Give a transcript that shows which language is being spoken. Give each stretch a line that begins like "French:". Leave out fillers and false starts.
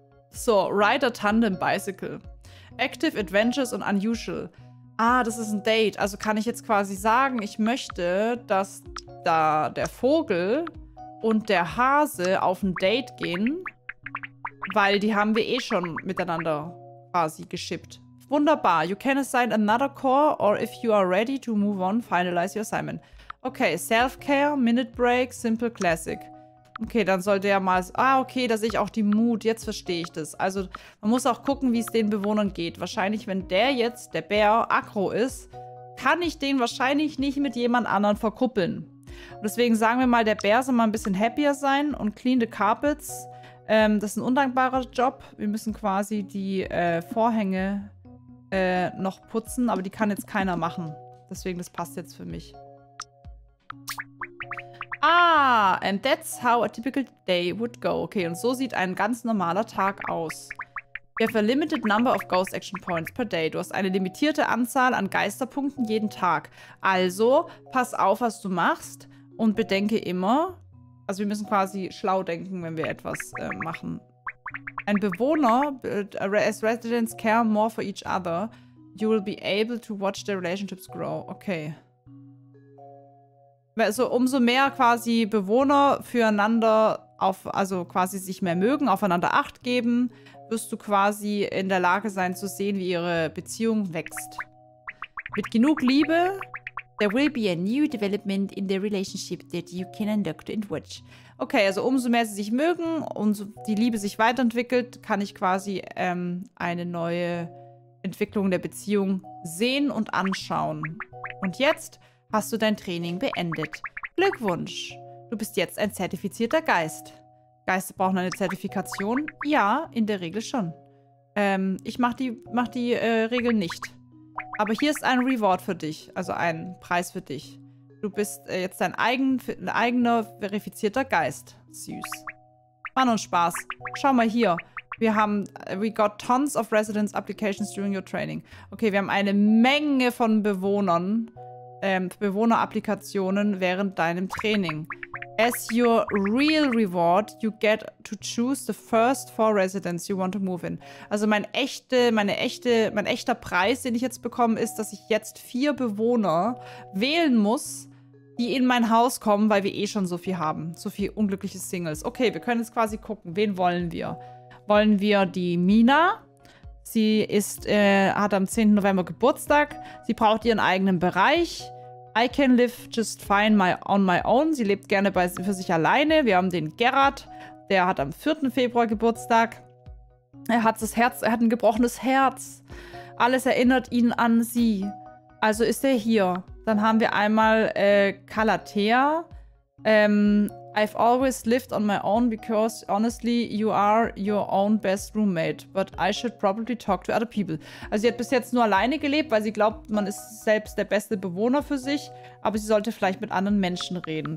English: So, ride a tandem bicycle. Active, adventurous und unusual.
German: Ah, das ist ein Date. Also kann ich jetzt quasi sagen, ich möchte, dass da der Vogel und der Hase auf ein Date gehen, weil die haben wir eh schon miteinander quasi geschippt. Wunderbar.
English: You can assign another core or if you are ready to move on, finalize your assignment. Okay, self-care, minute break, simple classic. Okay, dann soll der mal...
German: Ah, okay, da sehe ich auch die Mut. Jetzt verstehe ich das. Also, man muss auch gucken, wie es den Bewohnern geht. Wahrscheinlich, wenn der jetzt, der Bär, aggro ist, kann ich den wahrscheinlich nicht mit jemand anderen verkuppeln. Und deswegen sagen wir mal, der Bär soll mal ein bisschen happier sein und
English: clean the carpets.
German: Das ist ein undankbarer Job. Wir müssen quasi die Vorhänge noch putzen, aber die kann jetzt keiner machen. Deswegen, das passt jetzt für mich.
English: Ah, and that's how a typical day would go.
German: Okay, und so sieht ein ganz normaler Tag aus.
English: You have a limited number of ghost action points per day.
German: Du hast eine limitierte Anzahl an Geisterpunkten jeden Tag. Also, pass auf, was du machst und bedenke immer, also wir müssen quasi schlau denken, wenn wir etwas machen. Ein Bewohner,
English: as residents care more for each other, you will be able to watch their relationships grow. Okay.
German: Also umso mehr quasi Bewohner füreinander, also quasi sich mehr mögen, aufeinander Acht geben, wirst du quasi in der Lage sein zu sehen, wie ihre Beziehung wächst. Mit genug Liebe,
English: there will be a new development in the relationship that you can look to and watch.
German: Okay, also umso mehr sie sich mögen und die Liebe sich weiterentwickelt, kann ich quasi eine neue Entwicklung der Beziehung sehen und anschauen. Und jetzt... Hast du dein Training beendet? Glückwunsch! Du bist jetzt ein zertifizierter Geist. Geister brauchen eine Zertifikation? Ja, in der Regel schon. Ich mach die Regel nicht. Aber hier ist ein Reward für dich, also ein Preis für dich. Du bist jetzt ein eigener verifizierter Geist. Süß. Mann und Spaß. Schau mal hier. Wir haben,
English: we got tons of residence applications during your training.
German: Okay, wir haben eine Menge von Bewohnern. Bewohner-Applikationen während deinem Training.
English: As your real reward, you get to choose the first four residents you want to move in.
German: Also mein echter Preis, den ich jetzt bekomme, ist, dass ich jetzt vier Bewohner wählen muss, die in mein Haus kommen, weil wir eh schon so viel haben. So viel unglückliche Singles. Okay, wir können jetzt quasi gucken, wen wollen wir? Wollen wir die Mina? Sie ist, hat am 10. November Geburtstag. Sie braucht ihren eigenen Bereich.
English: I can live just fine on my own.
German: Sie lebt gerne für sich alleine. Wir haben den Gerard. Der hat am 4. Februar Geburtstag. Er hat ein gebrochenes Herz. Alles erinnert ihn an sie. Also ist er hier. Dann haben wir einmal Calathea.
English: I've always lived on my own because, honestly, you are your own best roommate. But I should probably talk to other people.
German: Also sie hat bis jetzt nur alleine gelebt, weil sie glaubt, man ist selbst der beste Bewohner für sich. Aber sie sollte vielleicht mit anderen Menschen reden.